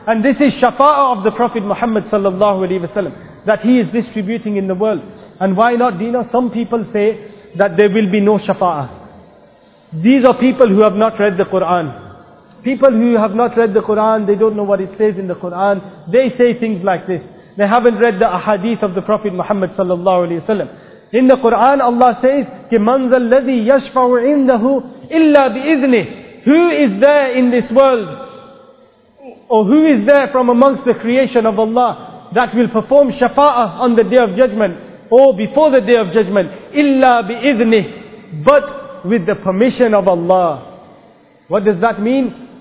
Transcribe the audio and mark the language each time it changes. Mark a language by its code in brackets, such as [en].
[en] And this is shafa'ah of the Prophet Muhammad sallallahu alayhi wa sallam, that he is distributing in the world. And why not, Dina? Some people say that there will be no shafa'ah. These are people who have not read the Quran. People who have not read the Quran, they don't know what it says in the Quran. They say things like this. They haven't read the ahadith of the Prophet Muhammad sallallahu alayhi wa sallam. In the Quran, Allah says, [ar] كِمَنْ ذَا الَّذِي يَشْفَعُ عِنْدَهُ إِلَّا بِإِذْنِهِ. [en] Who is there in this world? Or who is there from amongst the creation of Allah that will perform shafa'ah on the day of judgment or before the day of judgment? [ar] إِلَّا بِإِذْنِهِ. [en] But with the permission of Allah. What does that mean?